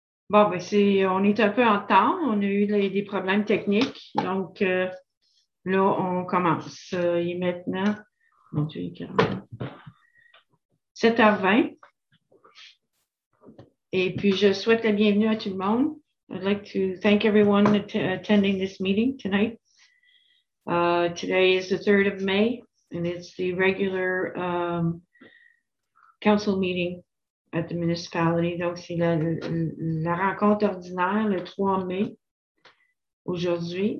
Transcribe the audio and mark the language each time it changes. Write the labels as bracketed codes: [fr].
[fr] Bon, ben on est un peu en retard. On a eu des problèmes techniques. Donc, là, on commence. Il est maintenant 7h20. Et puis, je souhaite la bienvenue à tout le monde. [en] I'd like to thank everyone attending this meeting tonight. Today is the 3rd of May. And it's the regular council meeting at the municipality. [fr] Donc, c'est la rencontre ordinaire le 3 mai aujourd'hui.